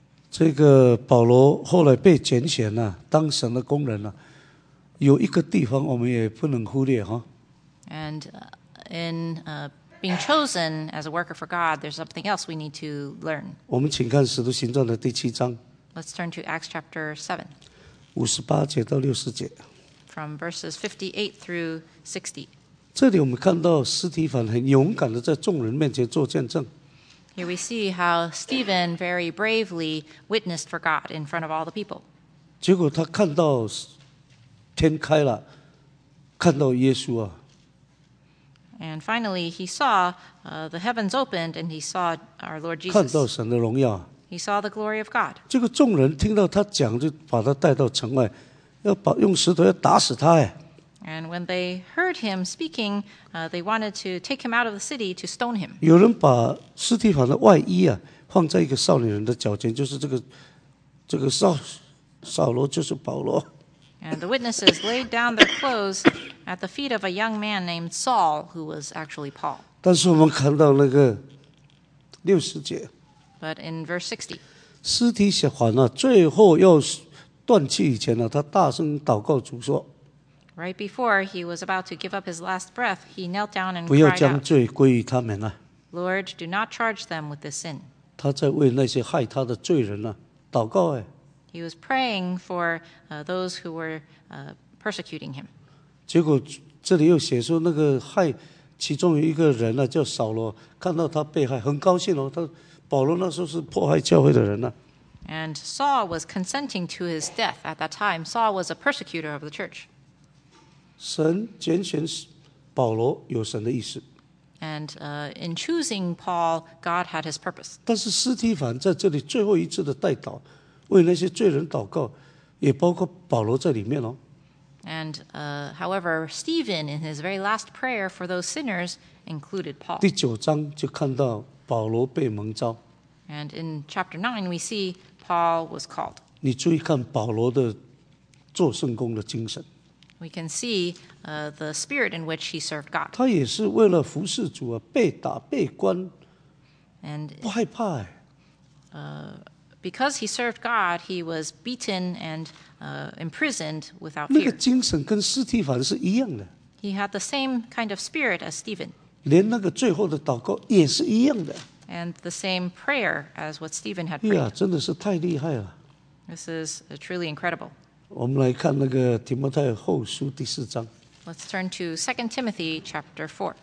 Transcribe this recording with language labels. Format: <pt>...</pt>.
<zh>这个保罗后来被拣选了，当神的工人了。有一个地方我们也不能忽略哈。</zh> <en>And in being chosen as a worker for God, there's something else we need to learn.</en> <zh>我们请看《使徒行传》的第七章。</zh> <en>Let's turn to Acts chapter 7.</en> <zh>58-60。</zh> <en>From verses 58 through 60.</en> <zh>这里我们看到斯提凡很勇敢地在众人面前做见证。</zh> <en>Here we see how Stephen very bravely witnessed for God in front of all the people.</en> <zh>结果他看到天开了，看到耶稣啊。</zh> <en>And finally he saw the heavens opened and he saw our Lord Jesus.</en> <zh>看到神的荣耀。</zh> <en>He saw the glory of God.</en> <zh>这个众人听到他讲，就把他带到城外。要把用石头要打死他哎！</zh> <en>And when they heard him speaking, they wanted to take him out of the city to stone him.</en> <zh>有人把斯提凡的外衣啊放在一个少年人的脚前，就是这个扫罗就是保罗。</zh> <en>And the witnesses laid down their clothes at the feet of a young man named Saul, who was actually Paul.</en> <zh>但是我们看到那个六十节。</zh> <en>But in verse 60.</en> <zh>斯提凡啊，最后要断气以前呢、啊，他大声祷告主说。</zh> <en>Right before he was about to give up his last breath, he knelt down and</en> <zh>不要将罪归于他们啊。</zh> <en>Lord, do not charge them with this sin.</en> <zh>他在为那些害他的罪人呢、啊、祷告哎。</zh> <en>He was praying for those who were persecuting him.</en> <zh>结果这里又写说那个害其中有一个人呢、啊、叫扫罗，看到他被害很高兴哦。他保罗那时候是迫害教会的人呢、啊。</zh> <en>And Saul was consenting to his death at that time. Saul was a persecutor of the church.</en> <zh>神拣选保罗有神的意思。</zh> <en>And in choosing Paul, God had his purpose.</en> <zh>但是斯提凡在这里最后一次的代祷，为那些罪人祷告，也包括保罗在里面哦。</zh> <en>And however, Stephen in his very last prayer for those sinners included Paul.</en> <zh>第九章就看到保罗被蒙召。</zh> <en>And in chapter 9, we see Paul was called.</en> <zh>你注意看保罗的做圣工的精神。</zh> <en>We can see the spirit in which he served God.</en> <zh>他也是为了服侍主啊，被打被关，</zh> <en>and</en> <zh>不害怕哎。</zh> <en>Because he served God, he was beaten and imprisoned without</en> <zh>fear. 那个精神跟斯提凡是一样的。</zh> <en>He had the same kind of spirit as Stephen.</en> <zh>连那个最后的祷告也是一样的。</zh> <en>And the same prayer as what Stephen had prayed.</en> <zh>呀，真的是太厉害了。</zh> <en>This is truly incredible.</en> <zh>我们来看那个提摩太后书第四章。</zh> <en>Let's turn to 2 Timothy chapter 4.</en>